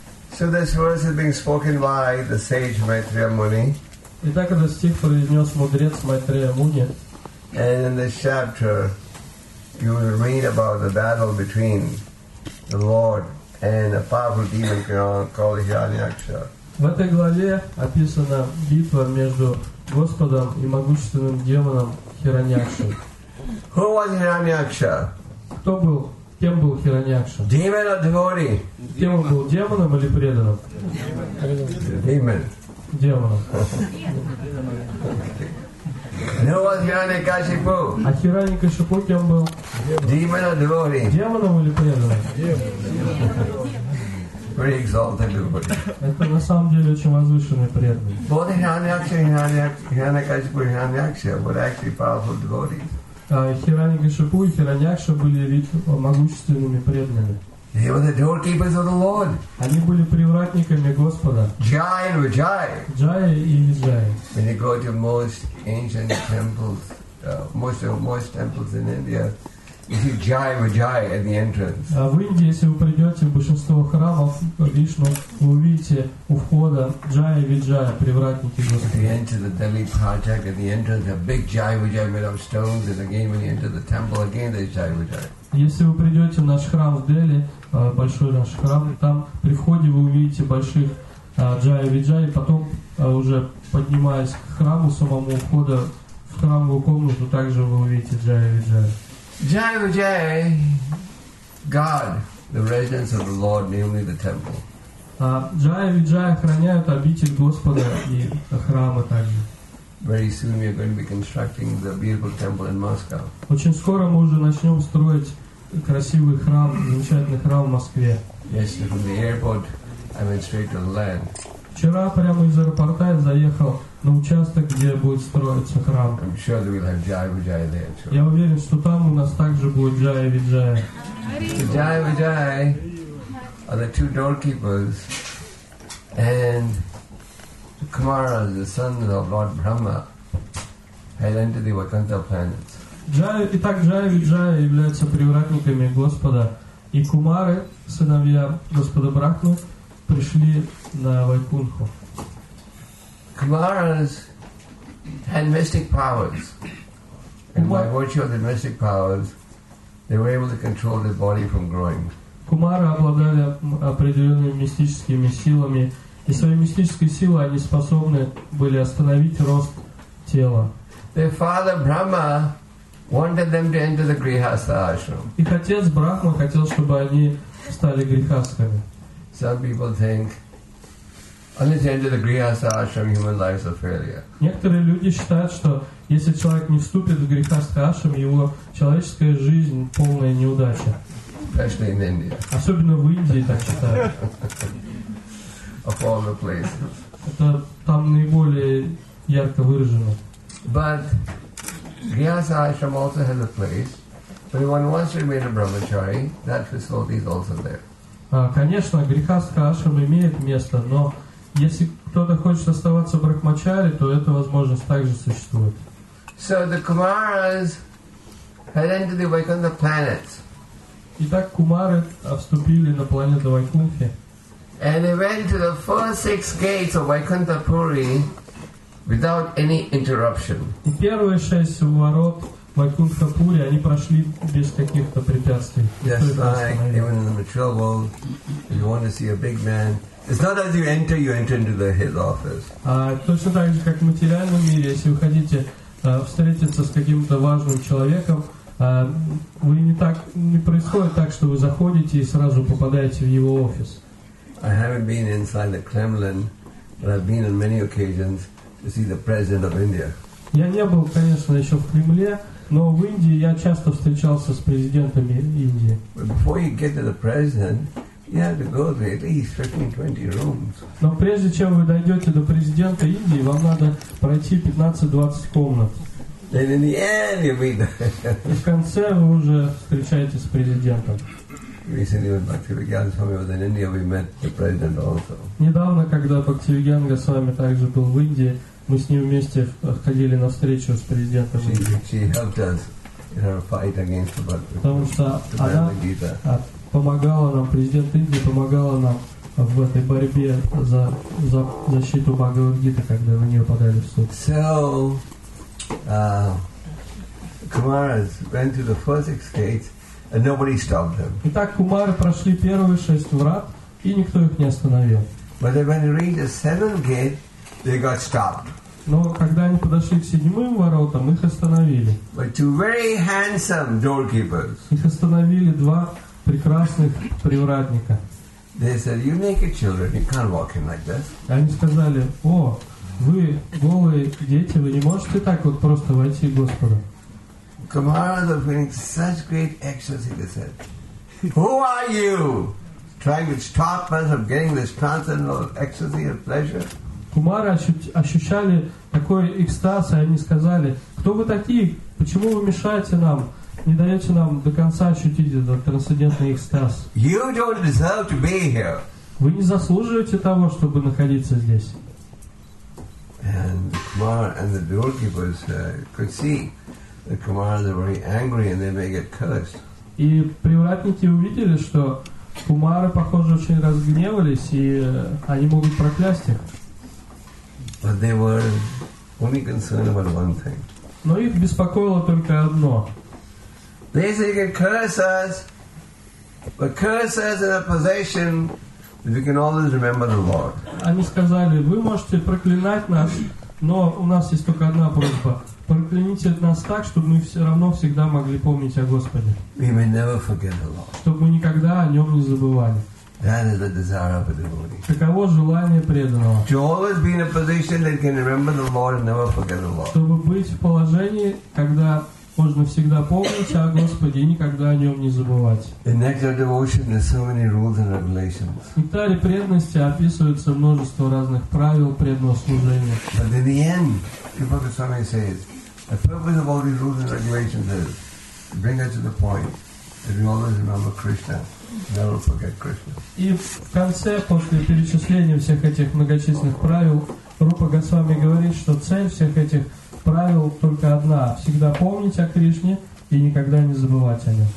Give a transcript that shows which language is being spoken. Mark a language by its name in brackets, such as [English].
[English] So this verse is being spoken by the sage Maitreya Muni. [Russian] Итак, этот стих произнес мудрец Майтрея Муни. [English] And in this chapter, you will read about the battle between the Lord and a powerful demon called Hiranyaksha. [Russian] В этой главе описана битва между Господом и могущественным демоном Хираньякшей. [English] Who was Hiranyaksha? [Russian] Кто был, кем был Хираньякша? [English] Demon or devotee? [Russian] Кем он был, демоном или преданным? [English] Demon. [Russian] Демоном. [English] Who was Hiranyakashipu? [Russian] А Хираньякашипу кем был? [English] Demon or devotee? [Russian] Демоном или преданным? [English] Very exalted devotee. [Russian] Это на самом деле очень возвышенный преданный. [English] Both Hiranyaksha and Hiranyakashipu and Hiranyaksha were actually powerful devotees. [Russian] Хираньякашипу и Хираньякша были могущественными преданными. [English] They were the doorkeepers of the Lord. [Russian] Они были привратниками Господа. [English] Jai and Vijay. [Russian] Jai и Vijay. [English] When you go to most ancient temples, most temples in India. You see Jai Vijay at the entrance. [Russian] В Индии, если вы придете в большинство храмов Вишну, вы увидите у входа Джай Виджай, привратники Господа. [English] If you enter the Delhi project at the entrance, a big Jai Vijay made of stones, and again when you enter the temple, again there's Jai Vijay. [Russian] Если вы придете в наш храм в Дели, большой наш храм, там при входе вы увидите больших Джай Виджай, потом уже поднимаясь к храму самому входа в храмовую комнату, также вы увидите Джай Виджай. [English] Jai Vijay, God, the residence of the Lord, namely the temple. [Russian] Jai Vijay охраняют обитель Господа и храма также. [English] Very soon we are going to be constructing the beautiful temple in Moscow. [Russian] Очень скоро мы уже начнем строить красивый храм, замечательный храм в Москве. [English] Yes, from the airport, I went straight to the land. [Russian] Вчера прямо из аэропорта я заехал на участок, где будет строиться храм. [English] I'm sure that we'll have Jai Vijay there too. [Russian] Я уверен, что там у нас также будет Jai Vijay. [English] So Jai Vijay are the two doorkeepers and the Kumaras, the sons of Lord Brahma, had entered the Vaikuntha planets. [Russian] Итак, Jai Vijay являются привратниками Господа, и Кумары, сыновья Господа Брахмы, пришли на Вайкунху. [English] Kumaras had mystic powers, and by virtue of the mystic powers, they were able to control their body from growing. [Russian] Кумары обладали определенными мистическими силами, и своей мистической силой они способны были остановить рост тела. [English] Their father Brahma wanted them to enter the Grihastha ashram. [Russian] Их отец Брахма хотел, чтобы они стали грихастхами. [English] some people think, on this end of the grihastha ashram, human life is a failure. [Russian] Некоторые люди считают, что если человек не вступит в грихастха ашрам, его человеческая жизнь полная неудача. [English] Especially in India. [Russian] Особенно в Индии так считают. [English] Of all the places. [Russian] Это там наиболее ярко выражено. [English] But grihastha ashram also has a place. But if one wants to remain a brahmachari, that facility is also there. [Russian] Конечно, грихастха ашрам имеет место, но если кто-то хочет оставаться брахмачари, то эта возможность также существует. [English] So the Kumaras had entered the Vaikuntha planets. [Russian] Итак, Кумары вступили на планету Вайкунхи. [English] And they went to the first six gates of Vaikuntha Puri without any interruption. [Russian] И первые шесть ворот Вайкунтха Пури они прошли без каких-то препятствий. [English] Yes, like even in the material world, if you want to see a big man. It's not as you enter into the head office. [Russian] Точно так же, как в материальном мире, если вы хотите встретиться с каким-то важным человеком, вы не так не происходит так, что вы заходите и сразу попадаете в его офис. [English] I haven't been inside the Kremlin, but I've been on many occasions to see the president of India. [Russian] Я не был, конечно, еще в Кремле, но в Индии я часто встречался с президентами Индии. [English] But before you get to the president, you have to go to at least 15-20 rooms. [Russian] Но прежде чем вы дойдете до президента Индии, вам надо пройти 15-20 комнат. [English] And in the end, you meet. [Russian] И в конце вы уже встречаетесь с президентом. [English] Recently, when Bhaktivedanta Swami was in India, we met the president also. [Russian] Недавно, когда Бхактивиданта Свами также был в Индии, мы с ним вместе ходили на встречу с президентом Индии. [English] She helped us in our fight against the Bhagavad Gita. [Russian] Потому что она помогала нам, президент Индии помогала нам в этой борьбе за защиту Бхагавад-гиты, когда на нее подали в суд. [English] So, Kumaras went through the first six gates, and nobody stopped them. [Russian] Итак, Кумары прошли первые шесть врат, и никто их не остановил. [English] But when they reached the seventh gate, they got stopped. [Russian] Но когда они подошли к седьмым воротам, их остановили. [English] But two very handsome doorkeepers. [Russian] Их остановили два прекрасных привратника. [English] They said, "You naked children, you can't walk in like this." [Russian] Они сказали: "О, вы голые дети, вы не можете так вот просто войти к Господу." [English] Kumaras are feeling such great ecstasy. They said, "Who are you, trying to stop us from getting this transcendental ecstasy of pleasure?" [Russian] Кумары ощущали такой экстаз, и они сказали: "Кто вы такие? Почему вы мешаете нам? Не даете нам до конца ощутить этот трансцендентный экстаз. [English] You don't deserve to be here." [Russian] Вы не заслуживаете того, чтобы находиться здесь. И привратники увидели, что кумары, похоже, очень разгневались, и они могут проклясть их. [English] But they were only concerned about one thing. [Russian] Но их беспокоило только одно. [English] They say you can curse us, but curse us in a position that we can always remember the Lord. [Russian] Они сказали, вы можете проклинать нас, но у нас есть только одна просьба. Прокляните нас так, чтобы мы все равно всегда могли помнить о Господе. [English] We may never forget the Lord. [Russian] Чтобы мы никогда о нем не забывали. [English] That is the desire of a devotee. [Russian] Таково желание преданного. [English] To always be in a position that can remember the Lord and never forget the Lord. [Russian] Чтобы быть в положении, когда можно всегда помнить о Господе и никогда о нем не забывать. В нектаре преданности описывается множество разных правил преданного служения. [English] But in the end, Kripa Goswami says, the purpose of all these rules and regulations is to bring us to the point that we always remember Krishna, never forget Krishna. [Russian] И в конце, после перечисления всех этих многочисленных правил, Рупа Госвами говорит, что цель всех этих правил только одна: всегда помнить о Кришне и никогда не забывать о нем.